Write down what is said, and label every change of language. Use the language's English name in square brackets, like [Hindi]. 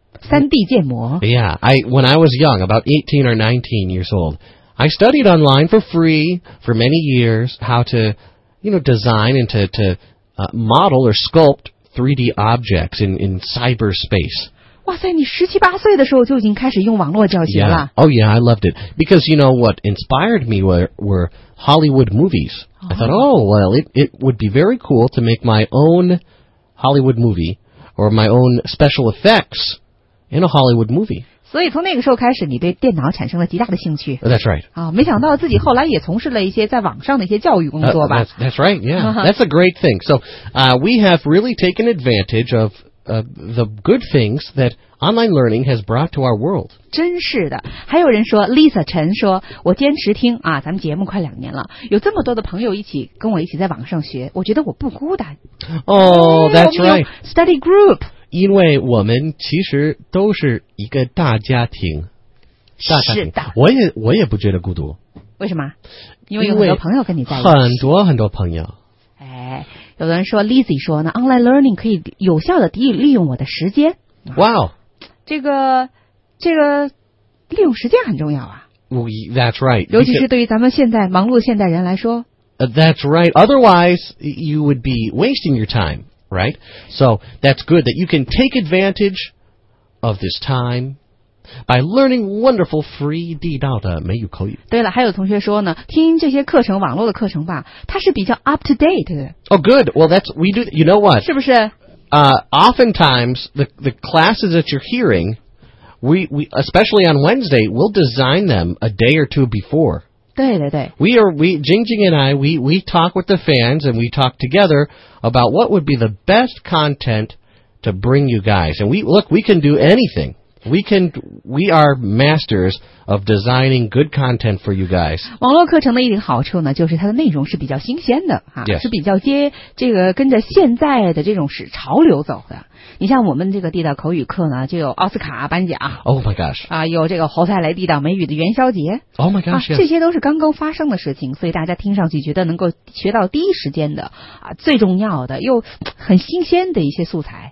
[Chinese] 3D 建模. [English] Yeah. When I was young, about 18 or 19 years old, I studied online for free for many years how to, you know, design and to model or sculpt 3D objects in cyberspace. [Chinese] 哇塞，你十七八岁的时候就已经开始用网络教学了。 [English] Yeah. Oh yeah, I loved it. Because you know what inspired me were Hollywood movies.、 Oh. I thought, oh well, it would be very cool to make my own Hollywood movie or my own special effects in a Hollywood movie. [Chinese] 所以从那个时候开始，你对电脑产生了极大的兴趣。 [English] Oh, that's right. [Chinese] 啊、哦，没想到自己后来也从事了一些在网上的一些教育工作吧。 [English] That's right, yeah. That's a great thing. So, we have really taken advantage of... the good things that online learning has brought to our world. [Chinese] 真是的。还有人说 ,Lisa 陈说，我坚持听啊，咱们节目快两年了，有这么多的朋友一起跟我一起在网上学，我觉得我不孤单。 [English] Oh, that's right. Study group. [Chinese] 因为我们其实都是一个大家庭。大家庭。是的。我也不觉得孤独。为什么？因为有很多朋友跟你在一起。很多很多朋友。哎。有的人说 Lizzy 说呢 , [English] online learning [Chinese] 可以有效的利用我的时间。 [English] 哇、wow. [Chinese] 这个利用时间很重要啊。 [English] That's right. [Chinese] 尤其是对于咱们现在忙碌的现代人来说。 [English] That's right. Otherwise, you would be wasting your time, right? So, that's good that you can take advantage of this time. By learning wonderful free [Chinese] 地道的美语口语。对了，还有同学说呢，听这些课程，网络的课程吧，它是比较 [English] up to date [Chinese] 的。 [English] Oh, good. Well, that's we do. You know what? [Chinese] 是不是？ [English] Oftentimes the classes that you're hearing, we especially on Wednesday, we'll design them a day or two before. [Chinese] 对对对。 [English] Jingjing and I, we talk with the fans and we talk together about what would be the best content to bring you guys. And we can do anything. We are masters of designing good content for you guys. [Chinese] 网络课程的一个好处呢，就是它的内容是比较新鲜的啊， [English] yes. [Chinese] 是比较接这个跟着现在的这种是潮流走的。你像我们这个地道口语课呢，就有奥斯卡颁奖。 [English] Oh my gosh！ [Chinese] 啊，有这个侯赛雷地道美语的元宵节。 [English] Oh my gosh！、 [Chinese] 啊、这些都是刚刚发生的事情，所以大家听上去觉得能够学到第一时间的啊，最重要的又很新鲜的一些素材。